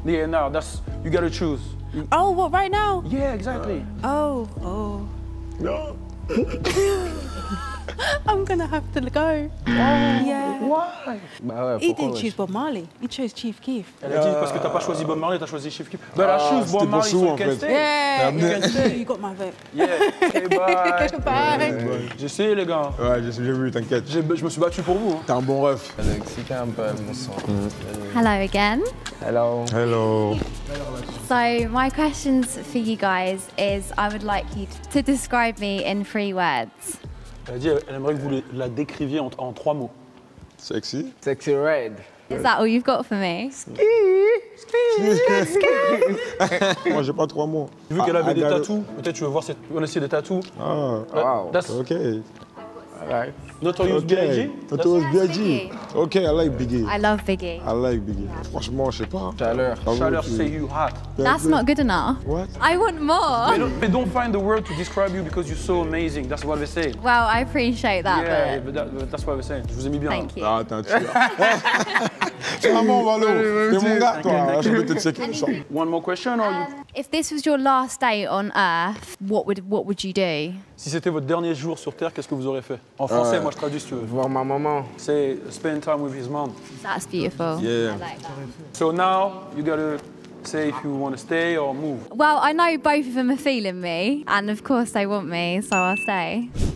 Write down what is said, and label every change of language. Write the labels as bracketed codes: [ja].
[en] Yeah, now, that's... You gotta choose. Oh, what, right now? Yeah, exactly. Oh. No. I'm gonna have to go. Why? Yeah. Why? He didn't choose Bob Marley. He chose Chief Keef. [fr] Elle a dit parce que t'as pas choisi Bob Marley, t'as choisi Chief Keef. [en] But I choose Bob Marley, so can stay. Yeah. You got my vote. Yeah. Okay, bye. Bye. [fr] J'ai essayé, les gars. Ouais, j'ai vu, t'inquiète. Je me suis battu pour vous. T'es un bon ref. Alexica, un peu, mon sang. [en] Hello again. Hello. So my questions for you guys is I would like you to describe me in three words. [fr] Elle a dit qu'elle aimerait que vous la décriviez en trois mots. [en] Sexy. Sexy red. Is that all you've got for me? Ski. Ski. [fr] Moi, j'ai pas trois mots. Vu qu'elle avait des tattoos, peut-être tu veux voir si on essaie des tattoos. [en] Ah, oh, wow. That's OK. Notorious okay. Biggie. Notorious Biggie. OK, I like Biggie. I love Biggie. I like Biggie. Yeah. [fr] Franchement, je sais pas. Chaleur, [en] say you hot. That's not good enough. What? I want more. But don't find the word to describe you because you're so amazing. That's what they say. Well, I appreciate that. Yeah, but that's what they say. [fr] Je vous ai mis bien. [en] Thank you. [fr] Ah, t'es un tueur. C'est vraiment Valo. T'es mon gars, toi. Je vais te checker ça. [en] One more question. Or you... If this was your last day on Earth, what would you do? [fr] Si c'était votre dernier jour sur Terre, qu'est-ce que vous auriez fait? En français, moi je traduis si tu veux. Voir ma maman. [en] C'est spend time with his mom. That's beautiful. Yeah. I like that. So now you gotta say if you want to stay or move. Well, I know both of them are feeling me, and of course they want me, so I'll stay.